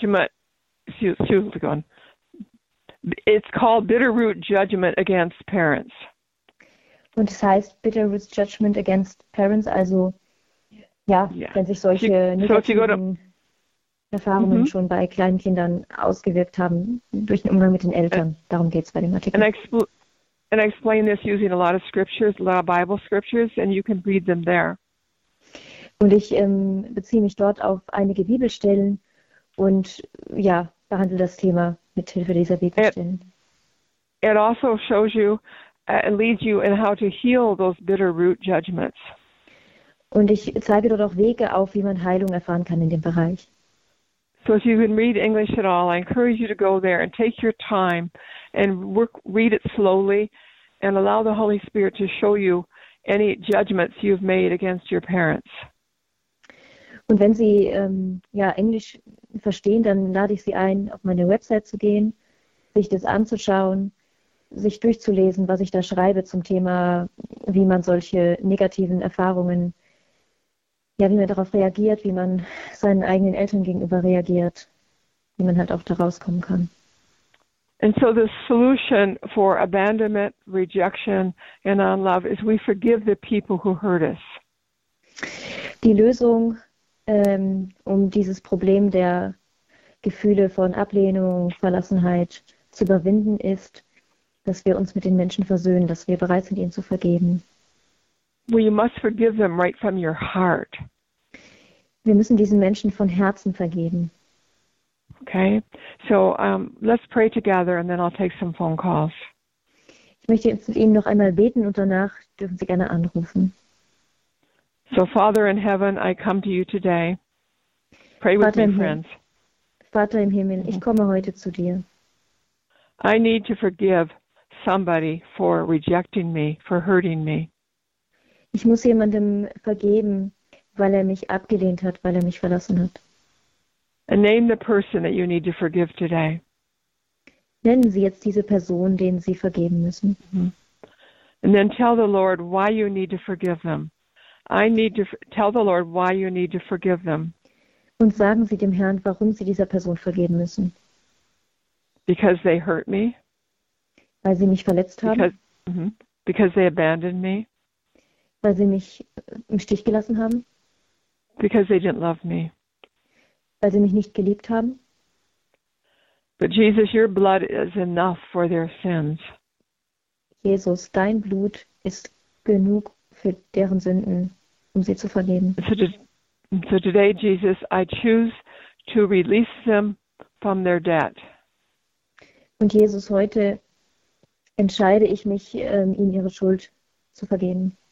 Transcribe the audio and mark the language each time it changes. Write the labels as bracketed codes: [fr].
[en] judgment. Excuse me, go on. It's called bitter root judgment against parents. [de] Und es heißt Bitter Roots Judgment Against Parents, also. Ja, [en] Yeah. [de] wenn sich solche [en] So if you go to. [de] negativen Erfahrungen schon bei kleinen Kindern ausgewirkt haben, durch den Umgang mit den Eltern. Darum geht es bei dem Artikel. [en] I explain this using a lot of scriptures, a lot of Bible scriptures, and you can read them there. [de] Und ich beziehe mich dort auf einige Bibelstellen und ja, behandle das Thema mit Hilfe dieser Bibelstellen. [en] It also shows you and leads you in how to heal those bitter root judgments. [de] Und ich zeige dort auch Wege auf, wie man Heilung erfahren kann in dem Bereich. [en] So if you can read English at all, I encourage you to go there and take your time and work, read it slowly and allow the Holy Spirit to show you any judgments you've made against your parents. [de] Und wenn Sie ja, Englisch verstehen, dann lade ich Sie ein, auf meine Website zu gehen, sich das anzuschauen, sich durchzulesen, was ich da schreibe zum Thema, wie man solche negativen Erfahrungen, ja, wie man darauf reagiert, wie man seinen eigenen Eltern gegenüber reagiert, wie man halt auch da rauskommen kann. [en] And so the solution for abandonment, rejection and unlove is we forgive the people who hurt us. [de] Die Lösung, um dieses Problem der Gefühle von Ablehnung, Verlassenheit zu überwinden, ist, dass wir uns mit den Menschen versöhnen, dass wir bereit sind, ihnen zu vergeben. [en] Well, you must forgive them right from your heart. [de] Wir müssen diesen Menschen von Herzen vergeben. [en] Okay, so let's pray together and then I'll take some phone calls. [de] Ich möchte jetzt mit Ihnen noch einmal beten und danach dürfen Sie gerne anrufen. [en] So, Father in heaven, I come to you today. Pray with me, friends. [de] Vater im Himmel, ich komme heute zu dir. [en] I need to forgive somebody for rejecting me, for hurting me. [de] Ich muss jemandem vergeben, weil er mich abgelehnt hat, weil er mich verlassen hat. [en] And name the person that you need to forgive today. [de] Nennen Sie jetzt diese Person, denen Sie vergeben müssen. [en] And then tell the Lord why you need to forgive them. I need to tell the Lord why you need to forgive them. [de] Und sagen Sie dem Herrn, warum Sie dieser Person vergeben müssen. [en] Because they hurt me. [de] Weil sie mich verletzt haben. [en] Because they abandoned me. [de] Weil sie mich im Stich gelassen haben. [en] Because they didn't love me. [de] Weil sie mich nicht geliebt haben. [en] But Jesus, your blood is enough for their sins. [de] Jesus, dein Blut ist genug für deren Sünden, um sie zu vergeben. [en] So today, Jesus, I choose to release them from their debt. [de] Und Jesus, heute entscheide ich mich, ihnen ihre Schuld zu vergeben.